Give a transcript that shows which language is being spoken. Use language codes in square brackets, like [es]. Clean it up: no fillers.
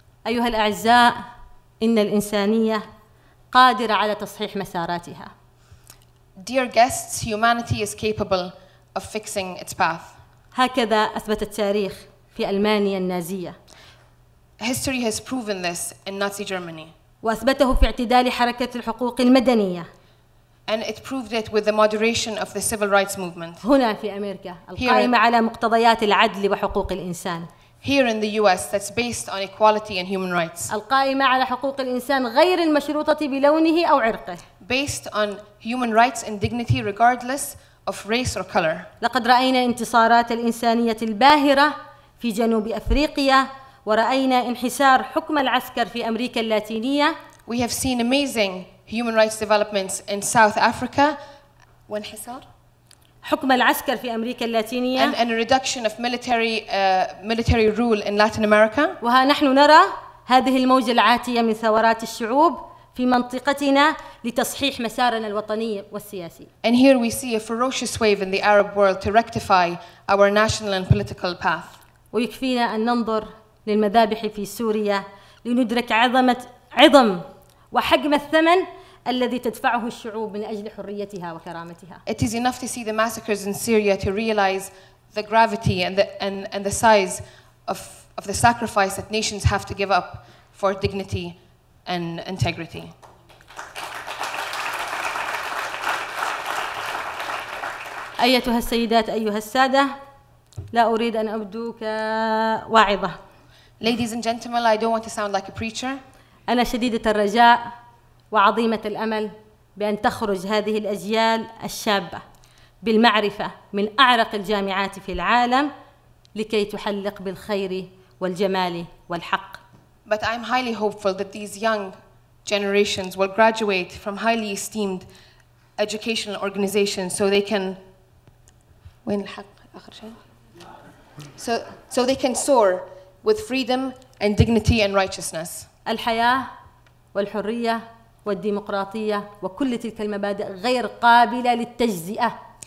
[ar] أيها الأعزاء، إن الإنسانية قادرة على تصحيح مساراتها. [en] Dear guests, humanity is capable of fixing its path. [ar] هكذا أثبت التاريخ في ألمانيا النازية. [en] History has proven this in Nazi Germany. [ar] وأثبته في اعتدال حركة الحقوق المدنية. [en] And it proved it with the moderation of the civil rights movement. [ar] هنا في أمريكا القائمة على مقتضيات العدل وحقوق الإنسان. [en] Here in the US that's based on equality and human rights. [ar] القائمة على حقوق الإنسان غير المشروطة بلونه أو عرقه. [en] Based on human rights and dignity regardless of race or color. [ar] لقد رأينا انتصارات الإنسانية الباهرة في جنوب أفريقيا ورأينا انحسار حكم العسكر في أمريكا اللاتينية. [en] We have seen amazing human rights developments in South Africa. [ar] وانحسار حكم العسكر في أمريكا اللاتينية. [en] And a reduction of military rule in Latin America. [ar] وها نحن نرى هذه الموجة العاتية من ثورات الشعوب في منطقتنا لتصحيح مسارنا الوطني والسياسي. [en] And here we see a ferocious wave in the Arab world to rectify our national and political path. [ar] ويكفينا أن ننظر للمذابح في سوريا لندرك عظم وحجم الثمن الذي تدفعه الشعوب من أجل حريتها وكرامتها. [en] It is enough to see the massacres in Syria to realize the gravity and the size of the sacrifice that nations have to give up for dignity and integrity. [ar] أيتها السيدات أيها السادة لا أريد أن أبدو كواعظة. [en] Ladies and gentlemen, I don't want to sound like a preacher. [ar] أنا شديدة الرجاء وعظيمة الأمل بأن تخرج هذه الأجيال الشابة بالمعرفة من أعرق الجامعات في العالم لكي تحلق بالخير والجمال والحق. [en] But I'm highly hopeful that these young generations will graduate from highly esteemed educational organizations so they can win [ar] الحق آخر شيء. [en] So they can soar with freedom and dignity and righteousness. [ar] الحياة والحرية والديمقراطية وكل تلك المبادئ غير قابلة للتجزئة.